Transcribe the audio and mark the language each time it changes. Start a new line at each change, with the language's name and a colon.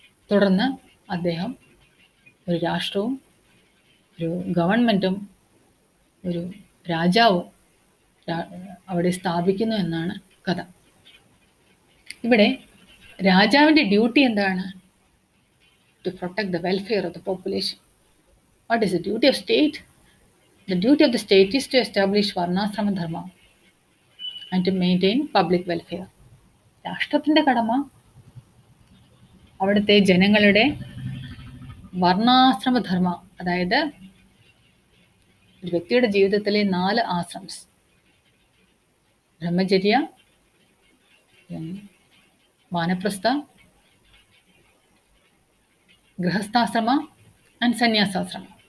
Malayalam: തുടർന്ന് അദ്ദേഹം ഒരു രാഷ്ട്രവും ഒരു ഗവൺമെൻറ്റും ഒരു രാജാവും അവിടെ സ്ഥാപിക്കുന്നു എന്നാണ് കഥ. ഇവിടെ രാജാവിൻ്റെ ഡ്യൂട്ടി എന്താണ്?
English: To protect the welfare of the population. What is the duty of state? The duty of the state is to establish Varnasrama Dharma and to maintain public welfare.
Malayalam: രാഷ്ട്രത്തിൻ്റെ കടമ അവിടുത്തെ ജനങ്ങളുടെ വർണ്ണാശ്രമധർമ്മ, അതായത് ഒരു വ്യക്തിയുടെ ജീവിതത്തിലെ 4 ആശ്രംസ്, ബ്രഹ്മചര്യ, വാനപ്രസ്ഥ, ഗൃഹസ്ഥാശ്രമ ആൻഡ് സന്യാസാശ്രമ.